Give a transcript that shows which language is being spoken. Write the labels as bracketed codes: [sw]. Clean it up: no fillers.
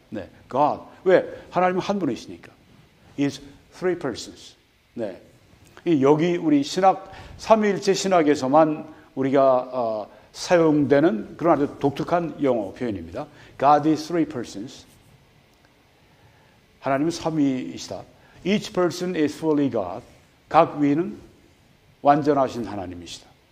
[ko] 네, God 왜 하나님은 한 분이시니까 [en] is three persons. [ko] 네, 여기 우리 신학 삼위일체 신학에서만 우리가 사용되는 그런 아주 독특한 영어 표현입니다. [en] God is three persons. [ko] 하나님은 삼위이시다. [en] Each person is fully God. [ko] 각 위는 완전하신 하나님이시다.